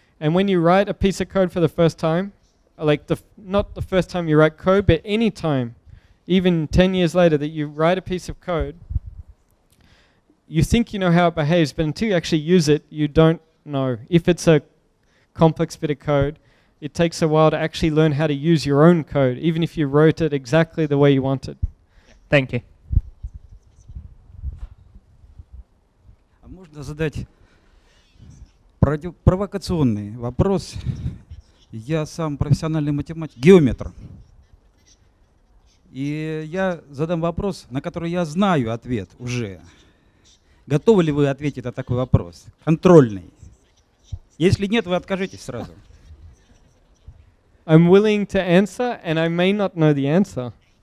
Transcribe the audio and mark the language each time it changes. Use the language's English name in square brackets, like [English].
[English] And when you write a piece of code for the first time, like not the first time you write code, but any time, even 10 years later that you write a piece of code, you think you know how it behaves, but until you actually use it, you don't know. If it's a complex bit of code, it takes a while to actually learn how to use your own code, even if you wrote it exactly the way you wanted. Thank you. [Russian] А можно задать провокационный вопрос? Я сам профессиональный математик, геометр. И я задам вопрос, на который я знаю ответ уже. Готовы ли вы ответить на такой вопрос? Контрольный. Если нет, вы откажитесь сразу. [English] I'm willing to answer, and I may not know the answer.